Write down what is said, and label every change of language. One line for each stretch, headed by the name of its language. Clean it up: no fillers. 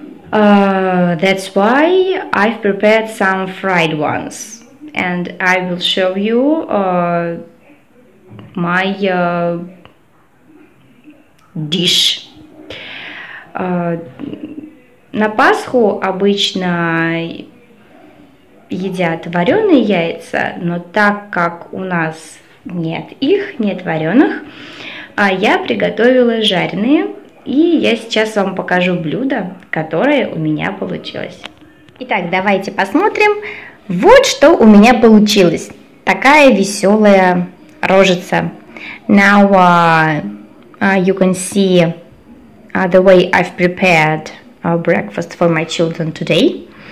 English: That's why I've prepared some fried ones, and I will show you my dish.
Russian: На Пасху обычно едят вареные яйца, но так как у нас нет их, нет вареных, я приготовила жареные. И я сейчас вам покажу блюдо, которое у меня получилось. Итак, давайте посмотрим. Вот что у меня получилось. Такая веселая рожица.
English: Now you can see the way I've prepared breakfast for my children today.